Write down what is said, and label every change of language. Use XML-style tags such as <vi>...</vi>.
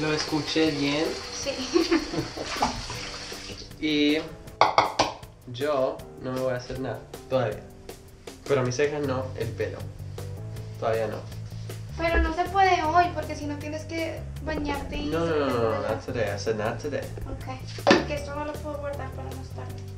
<es>¿Lo escuché bien? Sí. Y yo no me voy a hacer nada todavía. Pero mis cejas no, el pelo. Todavía no. Pero no se puede hoy porque si no tienes que bañarte y...</es> <en>No, not today, I said not today.</en> <es>Ok, porque esto no lo puedo guardar para más tarde.</es>